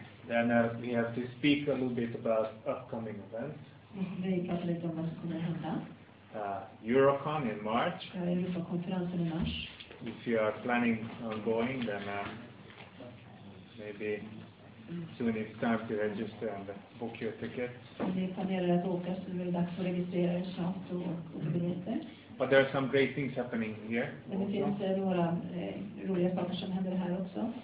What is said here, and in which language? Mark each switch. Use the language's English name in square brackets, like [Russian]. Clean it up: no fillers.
[English] Then we have to speak a little bit about upcoming events. [Swedish] Vi ska prata om vad som kommer hända. [English] Eurocon in March. [Swedish] Eurokonferensen i mars. [English] If you are planning on going, then maybe soon it's time to register and book your tickets. [Swedish] Om ni planerar att åka så är det dags att registrera er snart och boka biljetter. [English] But there are some great things happening here. [Swedish] Men det finns några roliga saker som händer här också.